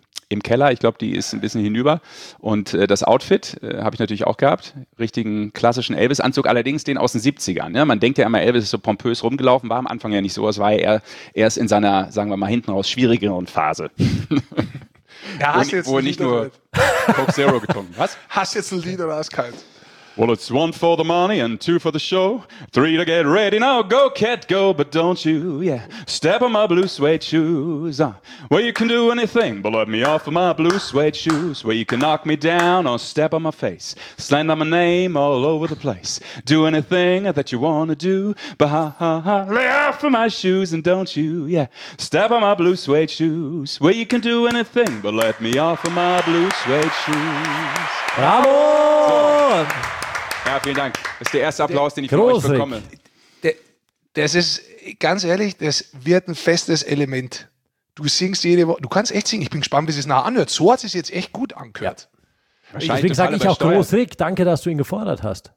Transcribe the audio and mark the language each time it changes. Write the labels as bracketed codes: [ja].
[de] im Keller, ich glaube, die ist ein bisschen hinüber. Und das Outfit habe ich natürlich auch gehabt. Richtigen klassischen Elvis-Anzug, allerdings den aus den 70ern. Ja, man denkt ja immer, Elvis ist so pompös rumgelaufen, war am Anfang ja nicht so. Es war ja erst in seiner, sagen wir mal, hinten raus schwierigeren Phase. Ja, wo er nicht nur Coke Zero getrunken. Was? Hast du jetzt ein Lied oder ist kalt? [en] Well, it's one for the money and two for the show. Three to get ready now. Go, cat, go. But don't you, step on my blue suede shoes. Well, you can do anything, but let me off of my blue suede shoes. Well, you can knock me down or step on my face. Slander my name all over the place. Do anything that you want to do. But lay off of my shoes and don't you, step on my blue suede shoes. Well, you can do anything, but let me off of my blue suede shoes. [de] Bravo! Ja, vielen Dank. Das ist der erste Applaus, den ich von euch bekomme. Das ist, ganz ehrlich, das wird ein festes Element. Du singst jede Woche, du kannst echt singen. Ich bin gespannt, wie es nachher anhört. So hat es sich jetzt echt gut angehört. Ja. Deswegen sage ich auch groß Rick, danke, dass du ihn gefordert hast.